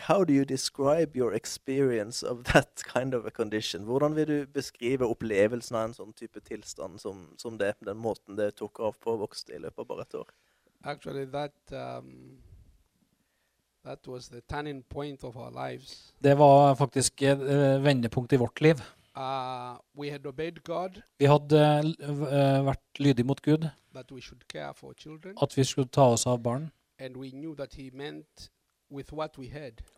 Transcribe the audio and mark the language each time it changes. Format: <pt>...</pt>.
<en>How do you describe your experience of that kind of a condition?</en> <no>Hvordan vil du beskrive opplevelsen av en sånn type tilstand som det, den måten det tok av på vokste i løpet av bare et år?</no> <en>Actually, that was the turning point of our lives.</en> <no>Det var faktisk vendepunkt i vårt liv.</no> <en>We had obeyed God.</en> <no>Vi hadde vært lydig mot Gud.</no> <en>That we should care for children.</en> <no>At vi skulle ta oss av barn.</no> <en>And we knew that he meant with what we had.</en>